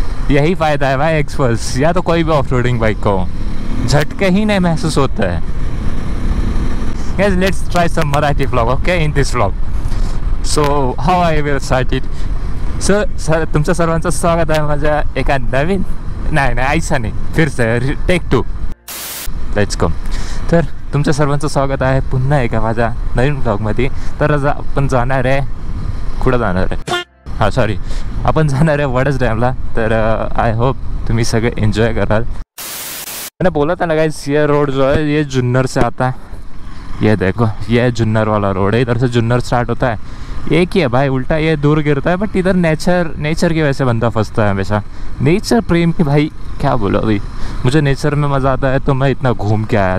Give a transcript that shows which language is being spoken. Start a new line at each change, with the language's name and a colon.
Hindi: यही फायदा है भाई एक्सपल्स या तो कोई भी ऑफ रोडिंग बाइक को, झटके ही नहीं महसूस होता है।
English: Guys let's try some Marathi vlog okay in this vlog. So how I will start it,
Marathi: sir sir तुमचं सर्वांचं स्वागत आहे माझ्या एका नवीन, नाही नाही
Hindi: ऐसा नाही, फिर से
English: Take two let's go.
Marathi: तर तुमचं सर्वांचं स्वागत आहे पुन्हा एका माझ्या नवीन व्लॉगमध्ये। तर आपण जाणार आहे कुठं जाणार आहे, हां सॉरी आपण जाणार आहे वडस डॅमला। तर
English: I hope
Marathi: तुम्ही सगळे एन्जॉय कराल।
Hindi: मैंने बोला था ना गाइस, ये रोड जो है ये जुन्नर से आता है, ये देखो ये जुन्नर वाला रोड है, इधर से जुन्नर स्टार्ट होता है, एक ही है भाई, उल्टा ये दूर गिरता है, बट इधर नेचर नेचर की वजह से बंदा फंसता है हमेशा। नेचर प्रेम की भाई क्या बोलो अभी, मुझे नेचर में मज़ा आता है तो मैं इतना घूम के आया।